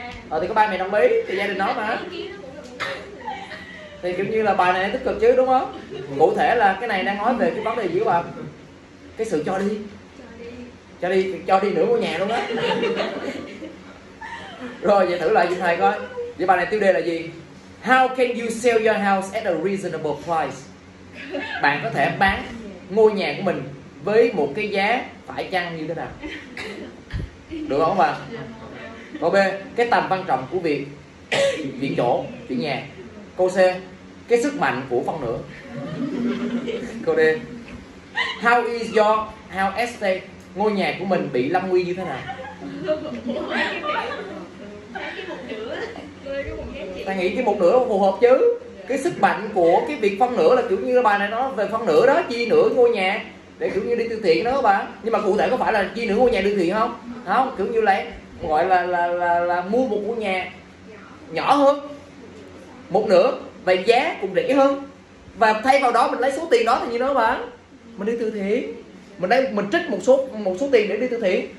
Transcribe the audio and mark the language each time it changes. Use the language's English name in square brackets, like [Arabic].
[Vietnamese] Ờ thì có ba mẹ đồng ý thì gia đình nó mà. Thì kiểu như là bài này tích cực chứ đúng không? Cụ thể là cái này đang nói về cái vấn đề gì các bạn? Cái sự cho đi nửa ngôi nhà luôn á. Rồi vậy thử lại cho thầy coi. Vậy bài này tiêu đề là gì? [English] How can you sell your house at a reasonable price? [Vietnamese] Bạn có thể bán ngôi nhà của mình với một cái giá phải chăng như thế nào? Được không bạn? Câu B, cái tầm quan trọng của việc chuyển chỗ, chuyển nhà. Câu C, cái sức mạnh của phân nửa. Câu D, [English] how is your house estate? [Vietnamese] Ngôi nhà của mình bị lâm nguy như thế nào? Ta nghĩ cái một nửa phù hợp chứ. Cái sức mạnh của cái việc phân nửa là kiểu như bài này nói về phân nửa đó, chi nửa ngôi nhà để kiểu như đi từ thiện đó các bạn. Nhưng mà cụ thể có phải là chi nửa ngôi nhà đi từ thiện không? Không, kiểu như là gọi là mua một ngôi nhà nhỏ hơn một nửa và giá cũng rẻ hơn, và thay vào đó mình lấy số tiền đó thì như đó các bạn, mình đi từ thiện, mình trích một số tiền để đi từ thiện.